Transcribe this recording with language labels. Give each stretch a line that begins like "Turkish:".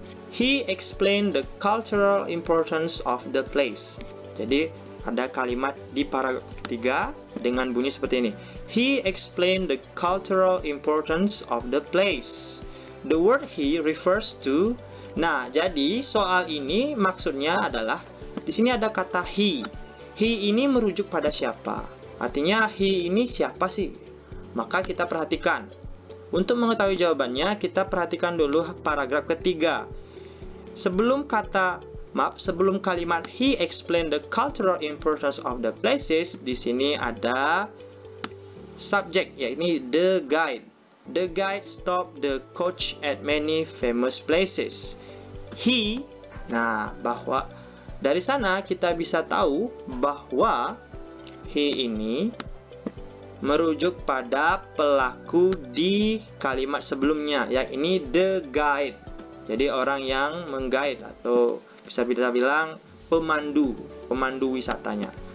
English: He explained the cultural importance of the place.
Indonesian: Jadi, ada kalimat di paragraf ketiga dengan bunyi seperti ini.
English: He explained the cultural importance of the place. The word he refers to.
Indonesian: Nah, jadi soal ini maksudnya adalah di sini ada kata he. He ini merujuk pada siapa? Artinya he ini siapa sih? Maka kita perhatikan. Untuk mengetahui jawabannya, kita perhatikan dulu paragraf ketiga. Sebelum kalimat
English: he explained the cultural importance of the places,
Indonesian: di sini ada subject, yaitu
English: the guide. The guide stopped the coach at many famous places.
Indonesian: He, nah, bahwa dari sana kita bisa tahu bahwa he ini merujuk pada pelaku di kalimat sebelumnya, yakni the guide. Jadi orang yang mengguide atau bisa kita bilang pemandu wisatanya.